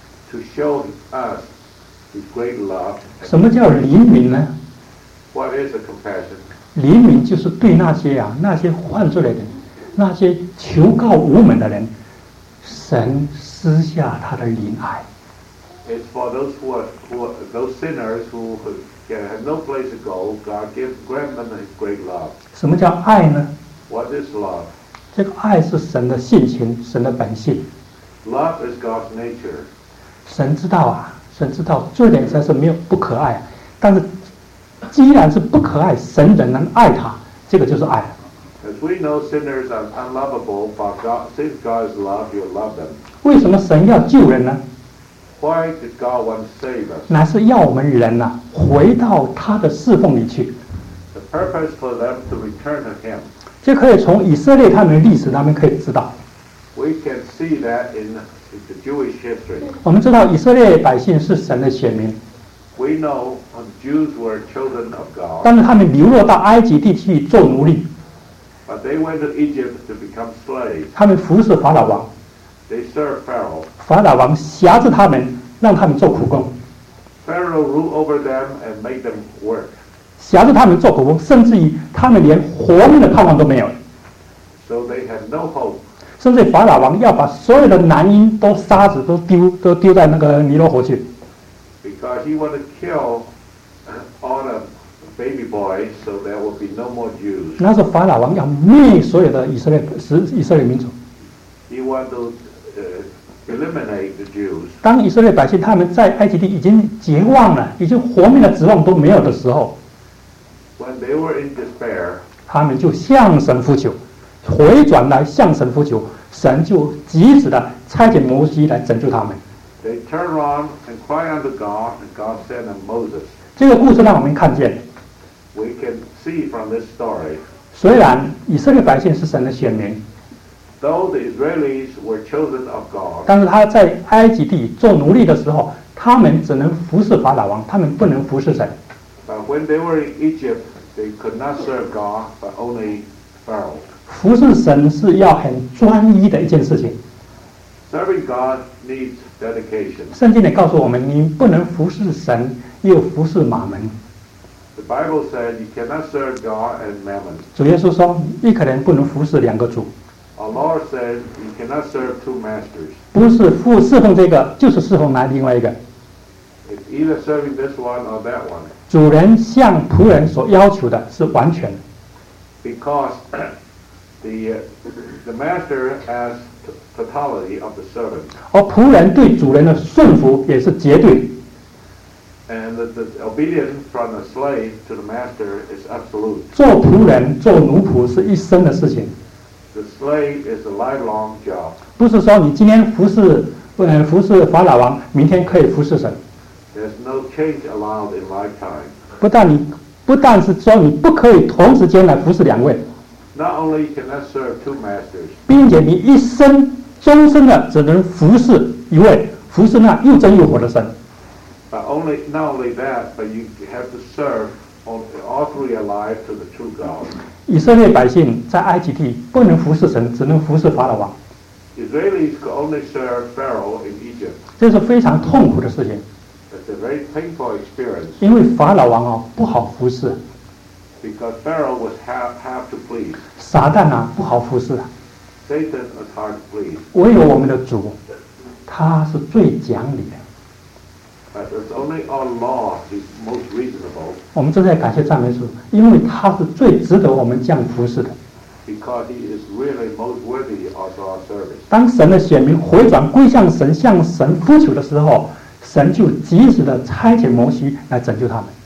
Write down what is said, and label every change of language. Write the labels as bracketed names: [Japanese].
[English] to show us his great love, [Chinese] 什么叫怜悯呢 [English] What is a compassion? [Chinese] 怜悯就是对那些犯罪的人那些求告无门的人神施下他的怜爱。 [English] It's for those who are sinners who have no place to go. God gives grant them His great love. [Chinese] 什么叫爱呢 [English] ？What is love? [Chinese] 这个爱是神的性情，神的本性。 [English] Love is God's nature. [Chinese] 神知道啊，神知道罪人才是没有不可爱，但是既然是不可爱，神仍然爱他，这个就是爱。 [English] As we know sinners are unlovable, but God, since God's love, He'll love them. [Chinese] 为什么神要救人呢 [English] ？Why did God want to save us? [Chinese] 乃是要我们人呐、啊，回到他的侍奉里去。 [English] The purpose for them to return to Him. [Chinese] 这可以从以色列他们的历史那边可以知道。 [English] We can see that in the Jewish history. [Chinese] 我们知道以色列百姓是神的选民。 [English] We know Jews were children of God. [Chinese] 但是他们流落到埃及地去做奴隶。 [English] But they went to Egypt to become slaves. [Chinese] 他们服侍法老王。 [English] They served Pharaoh. [Chinese] 法老王辖制他们，让他们做苦工。 [English] Pharaoh ruled over them and made them work. [Chinese] 辖制他们做苦工，甚至于他们连活命的盼望都没有。 [English] So they had no hope. [Chinese] 甚至法老王要把所有的男婴都杀死，都丢在那个尼罗河去。 [English] Because he wanted to kill all of baby boys, so there would be no more Jews. [Chinese] 那是法老王要灭所有的以色列民族。 [English] He wanted to eliminate the Jews. [Chinese] 当以色列百姓他们在埃及地已经绝望了，已经活命的指望都没有的时候 [English] ，When they were in despair, [Chinese] 他们就向神呼求，回转来向神呼求，神就及时的差遣摩西来拯救他们。 [English] They turned around and cried unto God, and God sent them Moses. [Chinese] 这个故事让我们看见。 [English] We can see from this story. [Chinese] 虽然以色列百姓是神的选民， [English] though the Israelites were chosen of God. [Chinese] 但是他在埃及地做奴隶的时候，他们只能服侍法老王，他们不能服侍神。 [English] But when they were in Egypt, they could not serve God, but only Pharaoh. [Chinese] 服侍神是要很专一的一件事情。 [English] Serving God needs dedication. [Chinese] 圣经也告诉我们，你不能服侍神，又服侍马门。 [English] The Bible said you cannot serve God and mammon. [Chinese] 主耶稣说，一个人不能服侍两个主。 [English] Our Lord said you cannot serve two masters. [Chinese] 不是侍奉这个，就是侍奉那另外一个。 [English] It's either serving this one or that one. [Chinese] 主人向仆人所要求的是完全。 [English] Because the master has totality of the servant. [Chinese] 而仆人对主人的顺服也是绝对。 [English] And the obedience from the slave to the master is absolute. [Chinese] 做仆人、做奴仆是一生的事情。 [English] The slave is a lifelong job. [Chinese] 不是说你今天服侍法老王，明天可以服侍神。 [English] There's no change allowed in lifetime. [Chinese] 不但是说你不可以同时间来服侍两位。 [English] Not only you cannot serve two masters. [Chinese] 并且你一生终身的只能服侍一位，服侍那又真又活的神。 [English] Not only that, but you have to serve all through your life to the true God. [Chinese] 以色列百姓在埃及地不能服侍神，只能服侍法老王。 [English] Israelites could only serve Pharaoh in Egypt. [Chinese] 这是非常痛苦的事情。 [English] It's a very painful experience. [Chinese] 因为法老王不好服侍。 [English] Because Pharaoh was half to please. [Chinese] 撒旦不好服侍。 [English] Satan was hard to please. [Chinese] 唯有我们的主，他是最讲理的。 [English] But it's only our law is most reasonable. [Chinese] 我们正在感谢赞美主，因为他是最值得我们这样服侍的。 [English] Because he is really most worthy of our service. [Chinese] 当神的选民回转归向神，向神呼求的时候，神就及时的差遣摩西来拯救他们。